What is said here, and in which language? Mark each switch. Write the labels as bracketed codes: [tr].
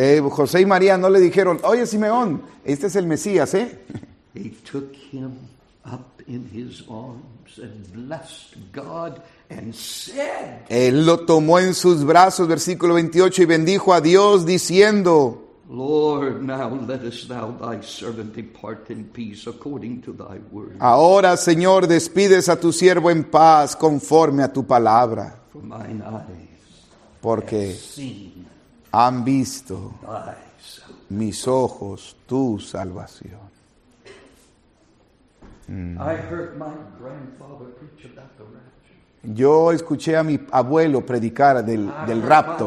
[es] José y María no le dijeron, oye Simeón, este es el Mesías, ¿eh? [en] He took him up in his arms and blessed God and said. [es] Él lo tomó en sus brazos, versículo 28, y bendijo a Dios diciendo, [en] Lord, now lettest thou thy servant depart in peace according to thy word. [es] Ahora, Señor, despides a tu siervo en paz conforme a tu palabra. [en] For mine eyes, [es] porque [en] have seen [es] han visto [en] thy [es] mis ojos tu salvación. [en] I heard my grandfather preach about the rapture. [es] Yo escuché a mi abuelo predicar del rapto.